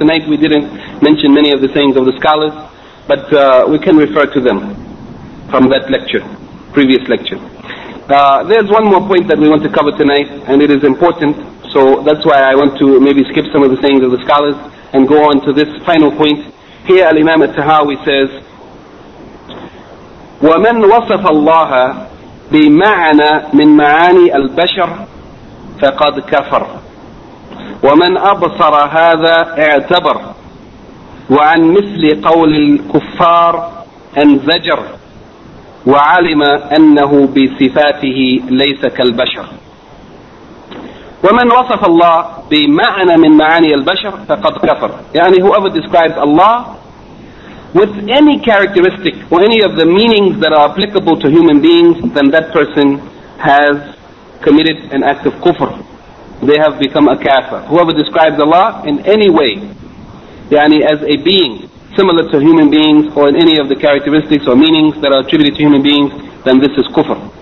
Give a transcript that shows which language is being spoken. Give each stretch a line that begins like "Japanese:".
English: Tonight we didn't mention many of the sayings of the scholars, but we can refer to them from that lecture, previous lecture. There's one more point that we want to cover tonight, and it is important, so that's why I want to maybe skip some of the sayings of the scholars and go on to this final point. Here Al-Imam At-Tahawi says,
Arabic: وَمَنْ وَصَفَ اللَّهَ بمعنى من معاني البشر فقد كفر ومن أبصر هذا اعتبر وعن مثل قول الكفار انزجر وعلم أنه بصفاته ليس كالبشر ومن وصف الله بمعنى من معاني البشر فقد كفر.
English: Whoever describes Allah with any characteristic or any of the meanings that are applicable to human beings, then that person has committed an act of kufr. They have become a kafir. Whoever describes Allah in any way, as a being similar to human beings, or in any of the characteristics or meanings that are attributed to human beings, then this is kufr.